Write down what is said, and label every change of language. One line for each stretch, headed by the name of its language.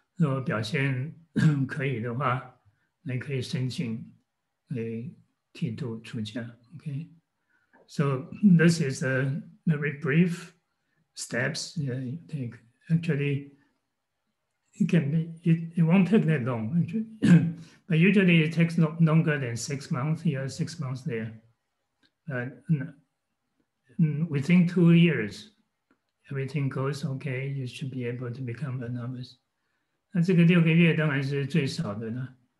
Chinese: 那你学员满六个月以后，若表现可以的话， 你可以申请来剃度出家，okay?
English: So this is a very brief steps you take. Actually, it won't take that long, actually. But usually it takes longer than 6 months here, 6 months there. But within 2 years, everything goes okay, you should be able to become a novice.
Chinese: 那这个六个月当然是最少的呢。